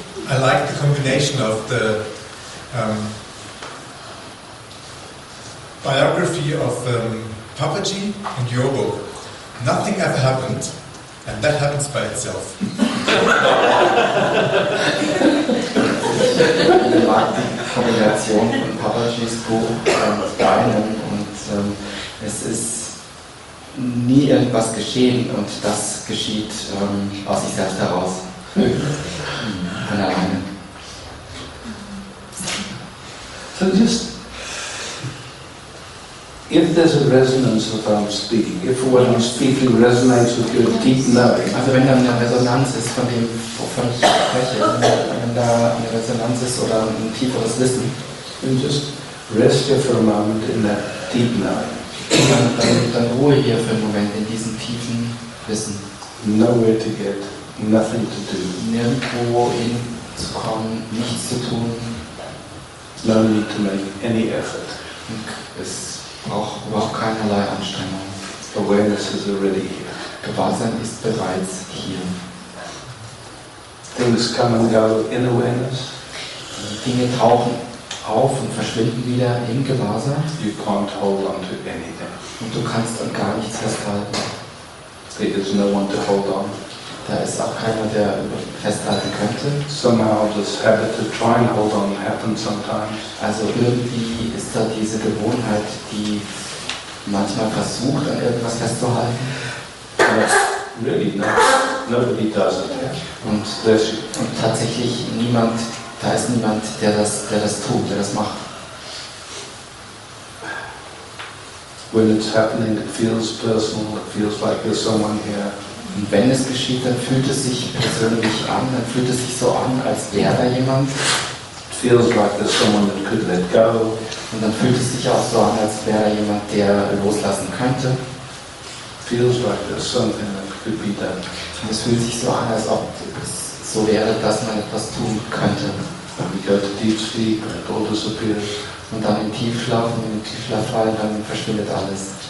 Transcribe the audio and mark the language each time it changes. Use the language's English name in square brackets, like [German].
[English] I like the combination of the biography of Papaji and your book. Nothing ever happened, and that happens by itself. I like the combination of Papaji's book and deinem, and it is [German] nie irgendwas geschehen und das geschieht aus sich selbst heraus. Von alleine. [English] So just, if there's a resonance of what I'm speaking, if what I'm speaking resonates with your deep knowing. [German] Also wenn da eine Resonanz ist von dem, wovon ich spreche, wenn da eine Resonanz ist oder ein tieferes Wissen. [English] Then just rest here for a moment in that deep knowing. [German] Dann ruhe hier für einen Moment in diesem tiefen Wissen. [English] Nowhere to get, nothing to do. [German] Nirgendwo hinzukommen, nichts zu tun. [English] No need to make any effort. [German] Es braucht keinerlei Anstrengung. [English] Awareness is already here. [German] Gewahrsein ist bereits hier. [English] Things come and go in awareness. [German] Dinge tauchen auf und verschwinden wieder im Gewahrsein. [English] You can't hold on to anything. [German] Und du kannst an gar nichts festhalten. [English] There is no one to hold on. [German] Da ist auch keiner, der festhalten könnte. [English] Somehow this habit to try and hold on happens sometimes. [German] Also irgendwie ist da diese Gewohnheit, die manchmal versucht, an irgendwas festzuhalten. [English] But really, no. Nobody does it. Yeah. [German] Und tatsächlich niemand. Da ist niemand, der das tut, der das macht. [English] When it's happening, it feels personal, it feels like there's someone here. [German] Und wenn es geschieht, dann fühlt es sich persönlich an, dann fühlt es sich so an, als wäre da jemand. [English] It feels like there's someone that could let go. [German] Und dann fühlt es sich auch so an, als wäre da jemand, der loslassen könnte. [English] It feels like there's something that could be done. [German] Und es fühlt sich so an, als ob es so wäre, dass man etwas tun könnte. [English] And we go to deep sleep and it all disappears. [German] Und dann im Tiefschlaf, und im Tiefschlaf fallen, dann verschwindet alles.